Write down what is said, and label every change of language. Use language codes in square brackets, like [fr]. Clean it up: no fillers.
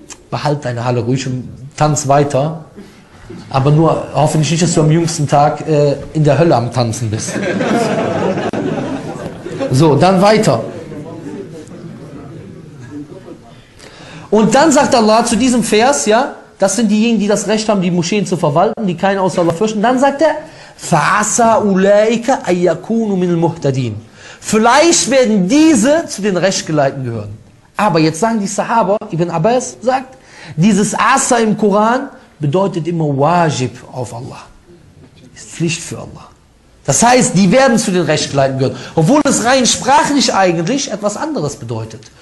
[de] Behalt deine Halle ruhig und tanz weiter. Aber nur hoffentlich nicht, dass du am jüngsten Tag in der Hölle am Tanzen bist. So, dann weiter. Und dann sagt Allah zu diesem Vers, ja, das sind diejenigen, die das Recht haben, die Moscheen zu verwalten, die keinen außer Allah fürchten. Dann sagt er, [ar] فَعَسَىٰ أُولَٰئِكَ أَيَّكُونُ مِنَ الْمُهْتَدِينَ. [de] Vielleicht werden diese zu den Rechtgeleiten gehören. Aber jetzt sagen die Sahaba, Ibn Abbas sagt, dieses Asa im Koran bedeutet immer Wajib auf Allah. Ist Pflicht für Allah. Das heißt, die werden zu den Rechtgeleiten gehören. Obwohl es rein sprachlich eigentlich etwas anderes bedeutet.